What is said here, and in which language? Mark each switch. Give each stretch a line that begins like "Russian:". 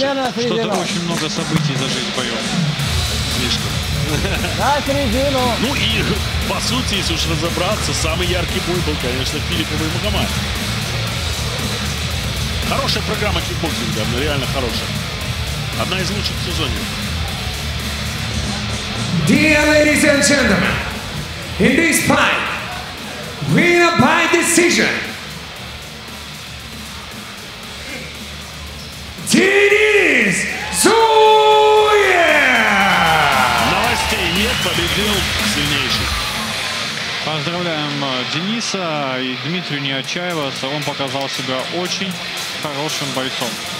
Russian: Что-то очень много событий за жизнь боев. Слишком. На середину. Ну и, по сути, если уж разобраться, самый яркий бой был, конечно, Филиппов и Магомаев. Хорошая программа кикбоксинга, реально хорошая. Одна из лучших в сезоне.
English: Dear ladies and gentlemen, in this fight, winner by decision, Денис Зуев!
Russian: Новостей нет, победил сильнейший. Поздравляем Дениса и Дмитрия Неочаева. Он показал себя очень хорошим бойцом.